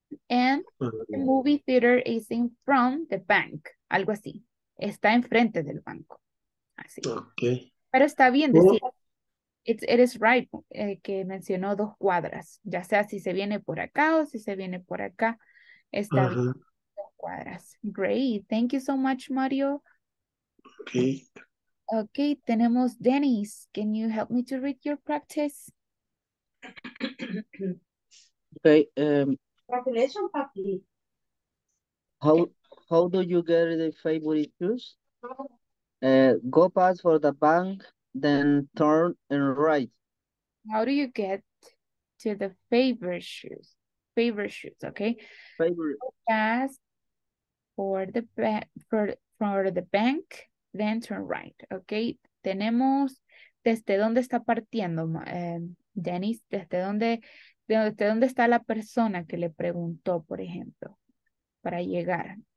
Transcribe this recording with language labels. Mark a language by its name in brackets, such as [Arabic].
[English] And the movie theater is in front of the bank. [Spanish] Algo así. Está enfrente del banco. Así. [English] Okay. [Spanish] Pero está bien decir, [English] it is right, [Spanish] que mencionó dos cuadras. Ya sea si se viene por acá o si se viene por acá, está bien. Cuadras. [English] Great. Thank you so much, Mario. Okay. [Spanish] Okay, tenemos Dennis. [English] Can you help me to read your practice? Okay. Congratulations, Papi. How do you get the favorite shoes? Go past for the bank, then turn and right. How do you get to the favorite shoes, okay? Favorite. Go past for the bank, then turn right, okay? [Spanish] Tenemos, ¿desde dónde está partiendo, Dennis? ¿Desde dónde está la persona que le preguntó, por ejemplo, para llegar?